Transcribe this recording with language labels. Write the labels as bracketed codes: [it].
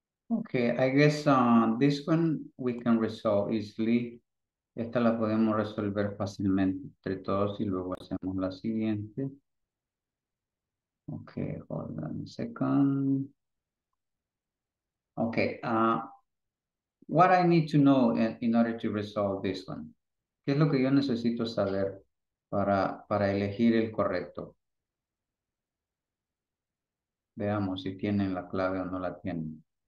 [en] Okay, I guess this one we can resolve easily. [es] Esta la podemos resolver fácilmente entre todos y luego hacemos la siguiente. [en] Okay, hold on a second. Okay, what I need to know in order to resolve this one? [es] ¿Qué es lo que yo necesito saber para elegir el correcto? Veamos si tienen la clave o no la tienen.